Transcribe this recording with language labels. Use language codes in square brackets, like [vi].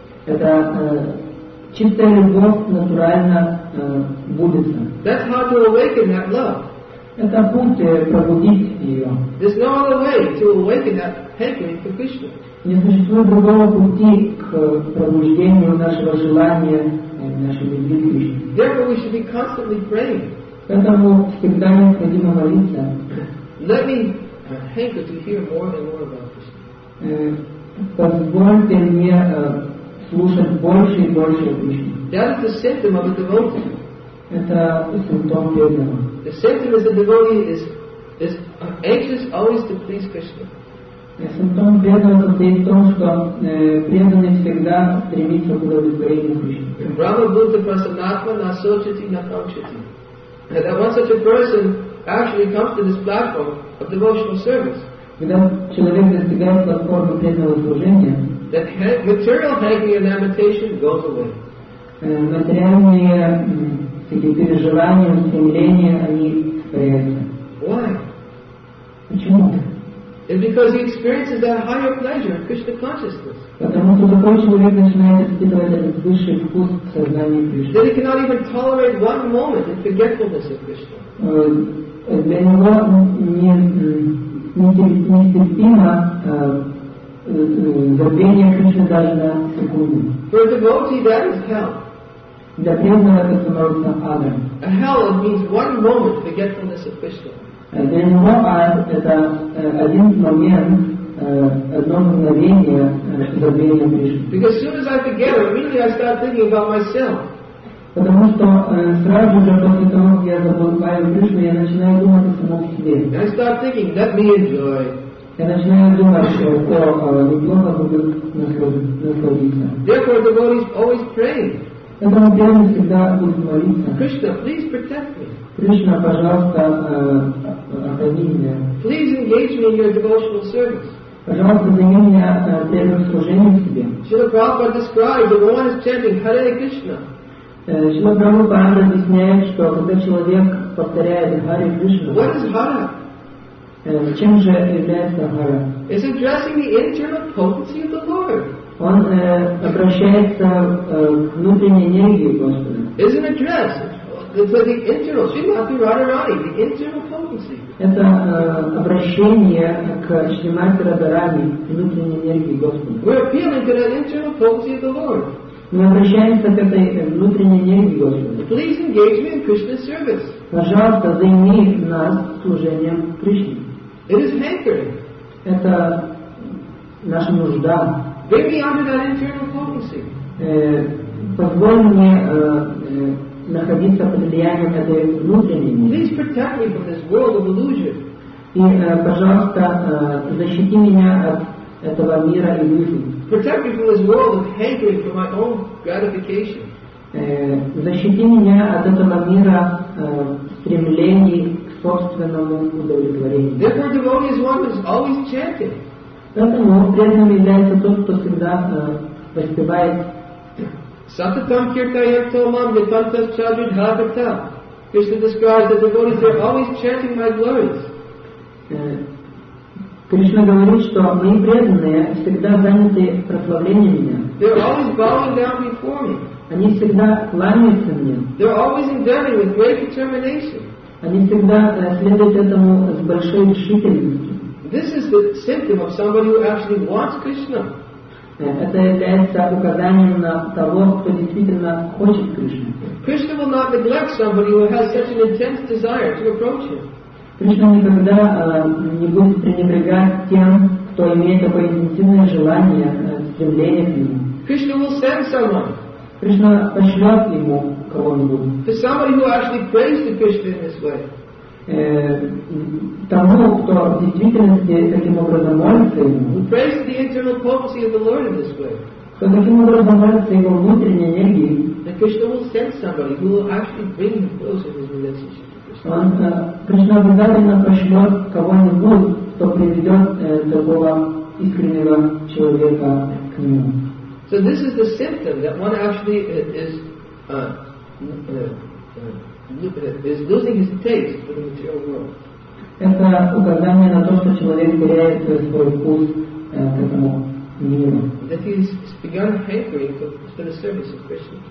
[ru] Это чистая любовь натурально будется. [en] That's how to awaken that love. [ru] Это путь пробудить ее. [en] There's no other way to awaken that hankering for Krishna. [ru] Не существует другого пути к пробуждению нашего желания нашей любви к Кришне. [en] Therefore, we should be constantly praying. [ru] Поэтому всегда необходимо молиться. [en] Let me hanker to hear more and more about Krishna. [ru] Позвольте мне слушать больше и больше о Кришне. [en] That is the symptom of a devotee. [ru] Это симптом преданного. [en] The symptom is a devotee is anxious always to please Krishna. [ru] Симптом преданного состоит в том, что преданный всегда стремится к удовлетворению Кришны. [sa] Brahma Buddha Prasanatma na sochati na kamchati. [en] And that one such a person actually comes to this platform of devotional service. [ru] Когда человек достигает платформы преданного служения, [en] that material hanging and lamentation goes away. [ru] Материальные такие переживания, устремления, они появляются. [en] Why? [ru] Почему? [en] It's because he experiences that higher pleasure, Krishna consciousness. [ru] Потому что такой человек начинает испытывать этот высший вкус сознания Кришны. [en] That he cannot even tolerate one moment in forgetfulness of Krishna. [ru] Для него нетерпимо забвение Кришны даже на секунду. [en] For a devotee, that is hell. [ru] Для преданного это становится адом. [en] A hell means one moment forgetfulness of Krishna. [ru] Для него ад это один момент, одно мгновение забвения Кришны. [en] Because as soon as I forget, immediately I start thinking about myself. [ru] Потому что сразу же после того, как я забываю Кришну, я начинаю думать о самом себе. [en] I start thinking, let me enjoy. [ru] Я начинаю думать, что неплохо будет насладиться. [en] Therefore, the devotee is always praying. [ru] Поэтому преданный всегда будет молиться. [en] Krishna, please protect me. [ru] Кришна, пожалуйста, охрани меня. [en] Please engage me in your devotional service. [ru] Пожалуйста, займи меня преданным служением себе. [en] Srila Prabhupada describes that one is chanting Hare Krishna. [ru] Srila Prabhupada объясняет, что когда человек повторяет Hare Krishna, [en] what is Hare? [ru] Чем же является Hare? [en] It's addressing the internal potency of the Lord. [ru] Он обращается к внутренней энергии Господа. [en] It's an address. It's the internal. Shrimati Radharani, the internal potency. [ru] Это обращение к Шримати Радарани, внутренней энергии Господа. [en] We're appealing to that internal potency of the Lord. [ru] Мы обращаемся к этой внутренней энергии Господа. [en] Please engage me in Krishna service. [ru] Пожалуйста, займи нас служением Кришне. [en] It is hankering. [ru] Это наша нужда. [en] Bring me under that internal potency. [ru] Позволь мне находиться под влиянием этой внутренней энергии. [en] Please protect me from this world of illusion. [ru] И, пожалуйста, защити меня от этого мира иллюзий. [en] Protect me from this world of hankering for my own gratification. [ru] Защити меня от этого мира стремлений к собственному удовлетворению. [en] Therefore, the devotee is one who is always chanting. [ru] Поэтому преданным является тот, кто всегда воспевает. [sa] Сататам киртаяктомам нитантас чаджидхавита. [en] Кришна describes that devotees are always chanting my glories. [ru] Кришна говорит, что мои преданные всегда заняты прославлением меня. [en] They're always bowing down before me. [ru] Они всегда кланяются мне. [en] They're always endeavoring with great determination. [ru] Они всегда следуют этому с большой решительностью. [en] This is the symptom of somebody who actually wants Krishna. [ru] Это является указанием на того, кто действительно хочет Кришну. [en] Krishna will not neglect somebody who has such an intense desire to approach him. [ru] Кришна никогда не будет пренебрегать тем, кто имеет такое интенсивное желание, стремление к нему. [en] Krishna will send someone. [ru] Кришна пошлет ему кого-нибудь. [en] To somebody who actually prays to Krishna in this way. [ru] Тому, кто в действительности таким образом молится ему, кто таким образом молится его внутренней энергией, Кришна обязательно пошлет кого-нибудь, кто приведет такого искреннего человека к нему. [en] So this is the symptom that one actually is is losing his taste for the material world. [ru] Это указание на то, что человек теряет свой вкус к этому миру. [en] That he's begun hankering for the service of Krishna.